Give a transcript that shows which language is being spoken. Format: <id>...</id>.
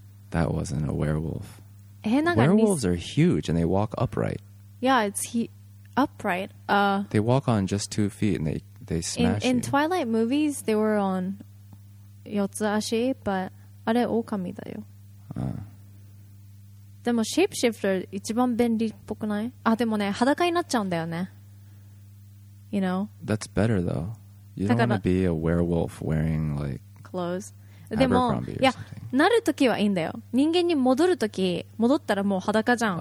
<en>That wasn't a werewolf. Werewolves are huge and they walk upright. Yeah, it's upright. They walk on just 2 feet and they smash. In Twilight movies, they were on</en> <ja>4つ足,</ja> <en>but</en> <ja>あれ狼だよ。でもシェイプシフター一番便利っぽくない？あ、でもね、裸になっちゃうんだよね。</ja> <en>You know? That's better though. You don't want to be a werewolf wearing like clothes. Abercrombie or something.</en> <ja>Yeah, なるときはいいんだよ。人間に戻るとき、戻ったらもう裸じゃん。</ja>